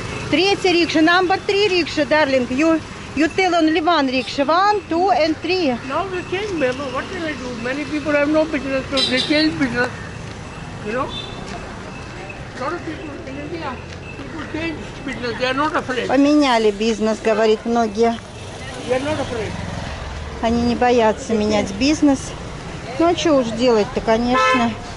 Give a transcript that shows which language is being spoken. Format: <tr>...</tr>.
<ru>Третья рикша, номер три рикша, дарлинг.</ru> <en>You tell only one rickshaw, one, two, and three. Now they change, Mama. What can I do? Many people have no business, so they change business. You know? Lot of people in India, people change business. They are not afraid.</en> <ru>Поменяли бизнес, говорит многие.</ru> <en>They are not afraid.</en> <ru>Они не боятся менять бизнес. Ну а что уж делать-то, конечно.</ru>